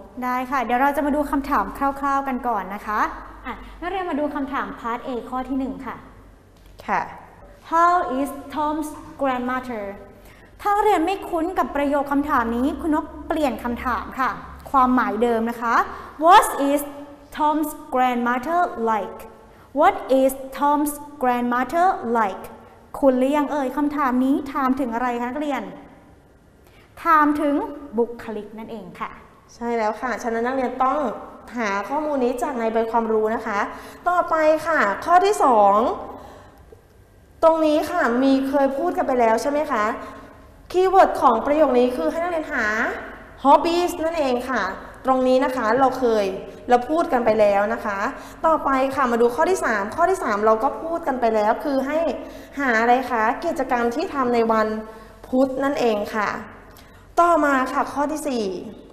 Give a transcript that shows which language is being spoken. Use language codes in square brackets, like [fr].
[th] ได้ค่ะเดี๋ยวเราจะมาดูคำถามคร่าวๆกันก่อนนะคะนักเรียนมาดูคำถามพาร์ท A ข้อที่1ค่ะ ค่ะ [en] How is Tom's grandmother [th] ถ้าเรียนไม่คุ้นกับประโยคคำถามนี้คุณนกเปลี่ยนคำถามค่ะความหมายเดิมนะคะ [en] What is Tom's grandmother like? What is Tom's grandmother like? [th] คุณหรือยังเอ่ยคำถามนี้ถามถึงอะไรคะนักเรียนถามถึงบุคลิกนั่นเองค่ะ ใช่แล้วค่ะฉะนั้นนักเรียนต้องหาข้อมูลนี้จากในใบความรู้นะคะต่อไปค่ะข้อที่2ตรงนี้ค่ะมีเคยพูดกันไปแล้วใช่ไหมคะคีย์เวิร์ดของประโยคนี้คือให้นักเรียนหา hobbies นั่นเองค่ะตรงนี้นะคะเราพูดกันไปแล้วนะคะต่อไปค่ะมาดูข้อที่3ข้อที่3เราก็พูดกันไปแล้วคือให้หาอะไรคะกิจกรรมที่ทำในวันพุธนั่นเองค่ะต่อมาค่ะข้อที่4